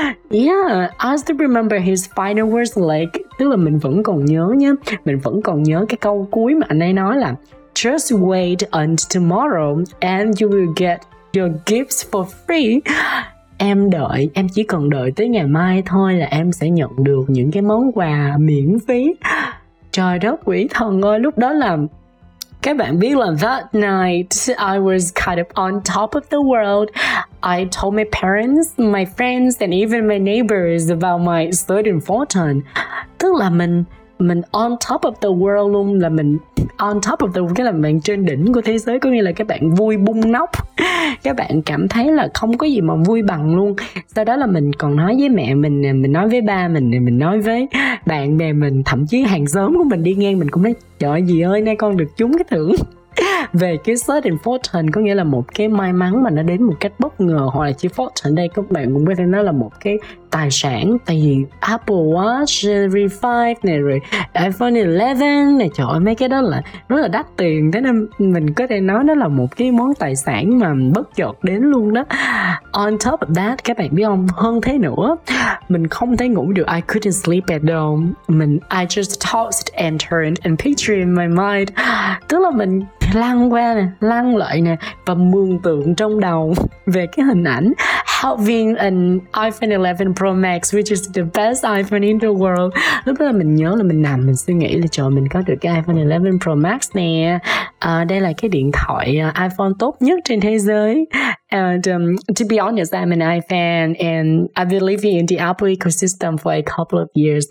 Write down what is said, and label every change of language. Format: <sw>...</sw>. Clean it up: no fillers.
<en>Yeah, I still remember his final words, like,</en> <vi>tức là mình vẫn còn nhớ nhá, mình vẫn còn nhớ cái câu cuối mà anh ấy nói là</vi> <en>just wait until tomorrow and you will get your gifts for free.</en> <vi>Em đợi, em chỉ cần đợi tới ngày mai thôi là em sẽ nhận được những cái món quà miễn phí. Trời đất quỷ thần ơi, lúc đó là các bạn biết là</vi> <en>that night I was kind of on top of the world. I told my parents, my friends and even my neighbors about my sudden fortune.</en> <vi>Tức là mình</vi> <en>on top of the world</en> <vi>luôn, là mình on top of the world, cái là mình trên đỉnh của thế giới, có nghĩa là các bạn vui bung nóc, các bạn cảm thấy là không có gì mà vui bằng luôn. Sau đó là mình còn nói với mẹ mình nói với ba mình nói với bạn bè mình, thậm chí hàng xóm của mình đi ngang mình cũng nói, trời gì ơi, nay con được trúng cái thưởng. Về cái sudden fortune, có nghĩa là một cái may mắn mà nó đến một cách bất ngờ, hoặc là chỉ fortune đây các bạn cũng có thể nói là một cái tài sản, tại vì Apple Watch Series 5 này, rồi iPhone 11 này, trời ơi, mấy cái đó là rất là đắt tiền, thế nên mình có thể nói nó là một cái món tài sản mà bất chợt đến luôn đó.</vi> <en>On top of that,</en> <vi>các bạn biết không, hơn thế nữa, mình không thể ngủ được,</vi> <en>I couldn't sleep at all. I just tossed and turned and pictured in my mind.</en> <vi>Tức là mình lăn qua nè, lăn lại nè, và mường tượng trong đầu về cái hình ảnh</vi> <en>having an iPhone 11 Pro Max, which is the best iPhone in the world.</en> <vi>Lúc đó mình nhớ là mình nằm, mình suy nghĩ là trời, mình có được cái iPhone 11 Pro Max nè, đây là cái điện thoại iPhone tốt nhất trên thế giới.</vi> <en>And to be honest, I'm an iFan and I've been living in the Apple ecosystem for a couple of years.</en>